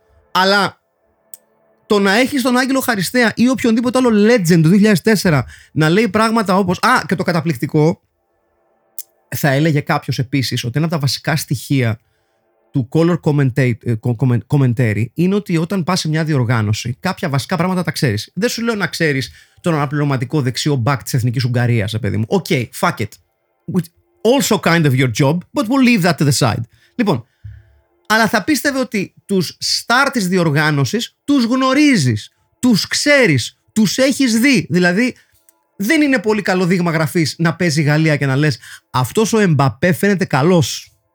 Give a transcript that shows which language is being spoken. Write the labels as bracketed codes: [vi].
[el] Αλλά το να έχεις τον Άγγελο Χαριστέα ή οποιονδήποτε άλλο legend του 2004 να λέει πράγματα όπως, α, και το καταπληκτικό, θα έλεγε κάποιος επίσης ότι ένα από τα βασικά στοιχεία του color commentary είναι ότι όταν πας σε μια διοργάνωση, κάποια βασικά πράγματα τα ξέρεις. Δεν σου λέω να ξέρεις τον αναπληρωματικό δεξιό back της Εθνικής Ουγγαρίας, παιδί μου. [en] Okay, fuck it. Also kind of your job, but we'll leave that to the side. [el] Λοιπόν, αλλά θα πίστευε ότι τους star της διοργάνωσης τους γνωρίζεις, τους ξέρεις, τους έχεις δει. Δηλαδή, δεν είναι πολύ καλό δείγμα γραφής να παίζει η Γαλλία και να λες αυτός ο Εμπαπέ φαίνεται καλός.